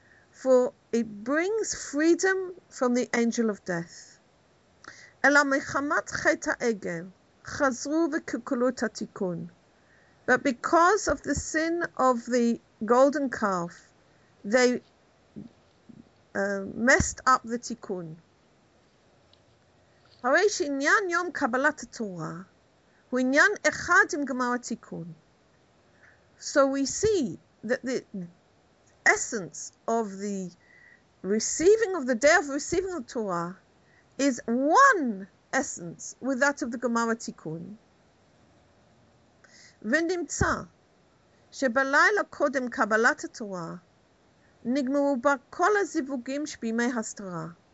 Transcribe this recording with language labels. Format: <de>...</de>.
<en>For it brings freedom from the angel of death.</en> <he>Ela mechamat cheta egel, chazru v'kukulut ha-tikun.</he> <en>But because of the sin of the golden calf, they messed up the tikkun.</en> <he>הרי שעניין יום קבלת התורה הוא עניין אחד עם גמר התיקון.</he> <en>So we see that the essence of the receiving of the day of receiving the Torah is one essence with that of the גמר התיקון.</en> <he>ונמצא שבלילה קודם קבלת התורה נגמרו בה כל הזיווגים שבימי הסתרה.</he>